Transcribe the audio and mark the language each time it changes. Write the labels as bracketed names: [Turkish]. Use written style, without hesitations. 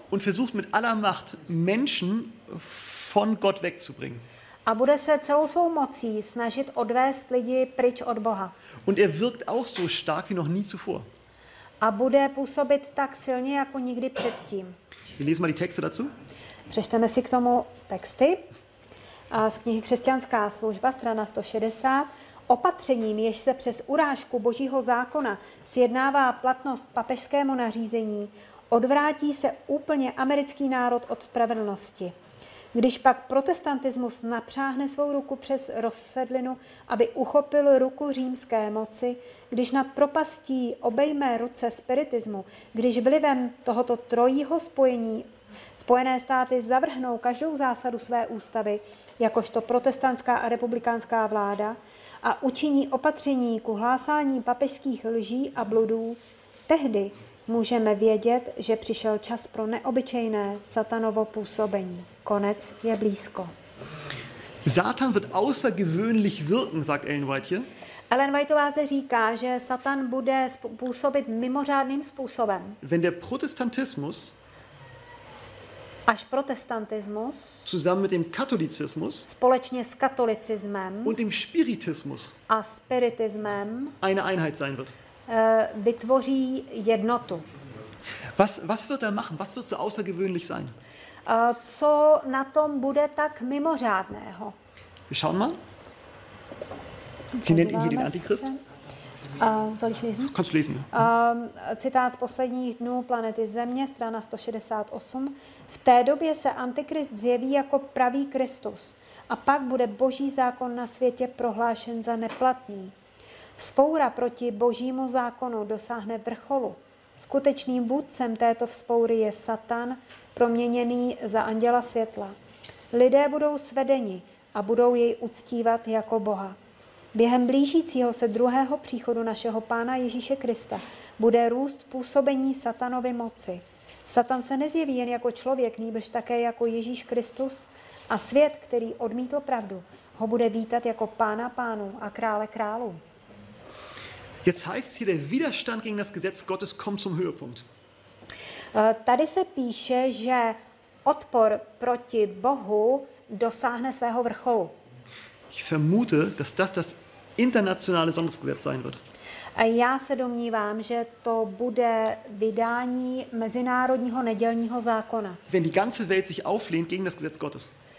[German] und versucht mit aller Macht Menschen von Gott wegzubringen. [Czech] A bude se celou svou mocí snažit odvést lidi pryč od Boha. [German] Und er wirkt auch so stark wie noch nie zuvor. [Czech] A bude působit tak silně jako nikdy předtím. [German] Wir lesen mal die Texte dazu. [Czech] Přečteme si k tomu texty. A z knihy Křesťanská služba, strana 160. Opatřením, jež se přes urážku Božího zákona sjednává platnost papežskému nařízení, odvrátí se úplně americký národ od spravedlnosti. Když pak protestantismus napřáhne svou ruku přes rozsedlinu, aby uchopil ruku římské moci, když nad propastí obejme ruce spiritismu, když vlivem tohoto trojího spojení Spojené státy zavrhnou každou zásadu své ústavy, jakožto protestantská a republikánská vláda, a učiní opatření ku hlásání papežských lží a bludů, tehdy můžeme vědět, že přišel čas pro neobyčejné satanovo působení. Konec je blízko. [German] Satan wird außergewöhnlich wirken, sagt Ellen White hier. [Czech] Ellen Whiteová zde říká, že Satan bude působit mimořádným způsobem. [German] Wenn der Protestantismus [Czech] až protestantismus [German] zusammen mit dem katolicismus [Czech] společně s katolicismem [German] und dem spiritismus [Czech] a spiritismem [German] eine Einheit sein wird. [Czech] Vytvoří jednotu. [German] Was wird er machen? Was wird so außergewöhnlich sein? [Czech] Co na tom bude tak mimořádného? [German] Wir schauen mal. Sie nennt ihn hier den Antichrist. Soll ich lesen? Kannst du lesen. [Czech] Citát z posledních dnů planety Země, strana 168. V té době se Antikrist zjeví jako pravý Kristus a pak bude Boží zákon na světě prohlášen za neplatný. Vzpoura proti Božímu zákonu dosáhne vrcholu. Skutečným vůdcem této vzpoury je Satan, proměněný za anděla světla. Lidé budou svedeni a budou jej uctívat jako Boha. Během blížícího se druhého příchodu našeho Pána Ježíše Krista bude růst působení Satanovy moci. Satan se nezjeví jen jako člověk, nýbrž také jako Ježíš Kristus, a svět, který odmítl pravdu, ho bude vítat jako Pána pánů a krále králů. [German] Jetzt heißt es hier, der Widerstand gegen das Gesetz Gottes kommt zum Höhepunkt. [Czech] Tady se píše, že odpor proti Bohu dosáhne svého vrcholu. [German] Ich vermute, dass das internationale Sondergesetz sein wird. [Czech] Já se domnívám, že to bude vydání mezinárodního nedělního zákona. [German] Wenn die ganze Welt sich auflehnt gegen das Gesetz Gottes.